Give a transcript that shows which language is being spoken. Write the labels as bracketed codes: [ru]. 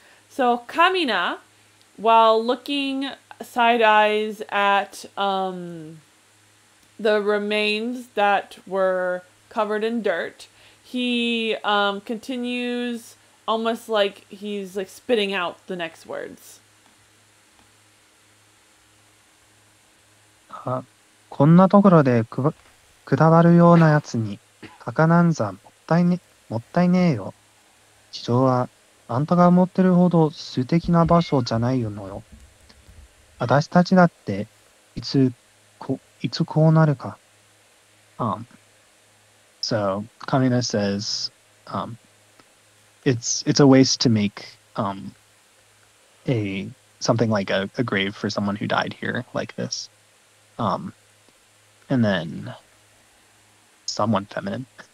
[en] So Kamina, while looking side eyes at the remains that were covered in dirt, he continues almost like he's like spitting out the next words. [ja] こんなところでくだばるようなやつに墓なんざもったいね。もったいねえよ。地上はあんたが思ってるほど素敵な場所じゃないのよ。私たちだっていつこうなるか。 [en] So Kamina says, it's a waste to make something like a grave for someone who died here like this. And then someone feminine.